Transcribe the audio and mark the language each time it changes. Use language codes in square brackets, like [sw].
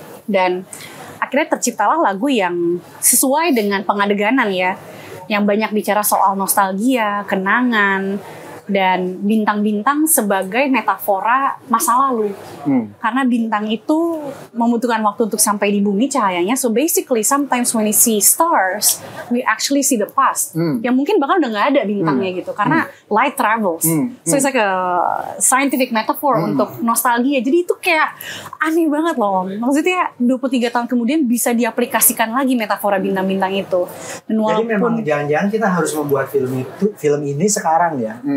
[id] Dan akhirnya terciptalah lagu yang sesuai dengan pengadeganan ya, yang banyak bicara soal nostalgia, kenangan, dan bintang-bintang sebagai metafora masa lalu. Karena bintang itu membutuhkan waktu untuk sampai di bumi cahayanya. [en] So basically sometimes when we see stars, we actually see the past. [id] Yang mungkin bahkan udah gak ada bintangnya gitu. Karena [en] light travels. So it's like a scientific metaphor [id] untuk nostalgia. Jadi itu kayak aneh banget loh. Maksudnya 23 tahun kemudian bisa diaplikasikan lagi metafora bintang-bintang itu. Dan walaupun, jadi memang jangan-jangan kita harus membuat film ini sekarang ya.